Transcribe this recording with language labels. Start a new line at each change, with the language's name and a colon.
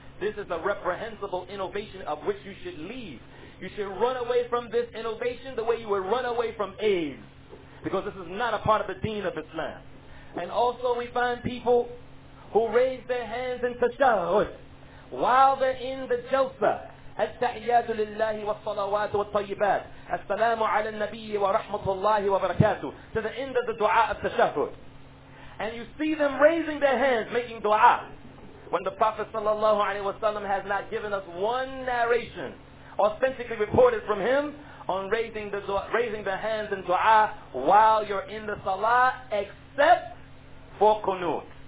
English: This is a reprehensible innovation of which you should leave. You should run away from this innovation the way you would run away from AIDS, because this is not a part of the deen of Islam. And also we find people who raise their hands in tashahud while they're in the jalsa.
Arabic: التحياتُ لله والصلوات والطيبات السلام على النبي ورحمة الله وبركاته.
English: To the end of the dua of tashahud. And you see them raising their hands, making dua, when the Prophet sallallahu alaihi wasallam has not given us one narration authentically reported from him on raising their hands in dua while you're in the salah, except for qunut.